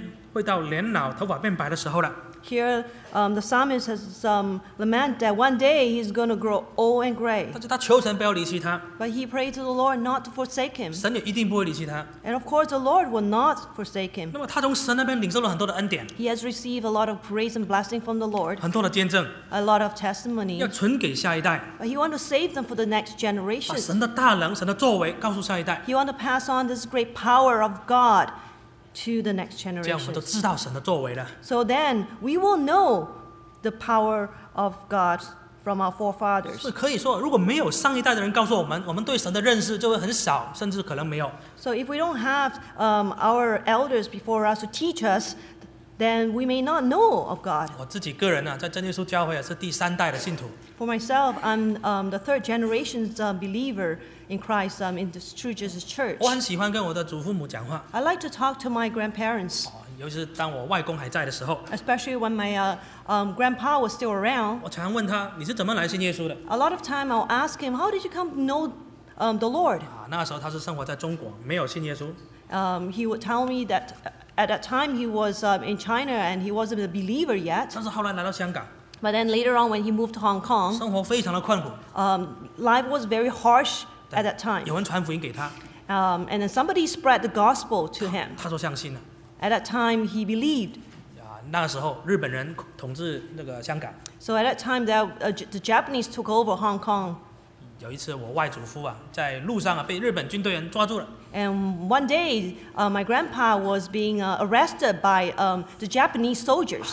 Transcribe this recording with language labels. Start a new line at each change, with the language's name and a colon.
Chinese: 这里圣经里面告诉我们，写诗的人有一天会到年老头发变白的时候了。
English: Here, the psalmist has lament that one day he's going to grow old and gray.
Chinese: 但是他求神不要离弃他,
English: but he prayed to the Lord not to forsake him.
Chinese: 神也一定不会离弃他,
English: and of course, the Lord will not forsake him.
Chinese: 那么他从神那边领受了很多的恩典,
English: he has received a lot of grace and blessing from the Lord.
Chinese: 很多的见证,
English: a lot of testimony.
Chinese: 要存给下一代,
English: but he wants to save them for the next generation.
Chinese: 把神的大能, 神的作为告诉下一代,
English: he wants to pass on this great power of God to the next generation.
Chinese: 这样我们都知道神的作为了。
English: So then we will know the power of God from our forefathers.
Chinese: 是可以说, 如果没有上一代的人告诉我们, 我们对神的认识就会很少, 甚至可能没有。
English: So if we don't have our elders before us to teach us, then we may not know of God.
Chinese: 我自己个人啊, 在真耶稣教会也是第三代的信徒。
English: For myself, I'm the third generation believer in Christ, in this True Jesus Church.
Chinese: 我很喜欢跟我的祖父母讲话。
English: I like to talk to my grandparents.
Chinese: 尤其是当我外公还在的时候。
English: Especially when my grandpa was still around.
Chinese: 我常问他，你是怎么来信耶稣的？
English: A lot of time I'll ask him, how did you come to know the Lord?
Chinese: 那时候他是生活在中国，没有信耶稣。
English: He would tell me that at that time he was in China and he wasn't a believer yet.
Chinese: 但是后来来到香港。
English: But then later on, when he moved to Hong Kong, life was very harsh at that time.
Chinese: 有人传福音给他,
English: and then somebody spread the gospel to him.
Chinese: 他说相信了,
English: at that time, he believed.
Chinese: 那时候日本人统治那个香港,
English: so at that time, the Japanese took over Hong Kong.
Chinese: 有一次我外祖父啊, 在路上啊, 被日本军队人抓住了,
English: and one day, my grandpa was being arrested by the Japanese soldiers.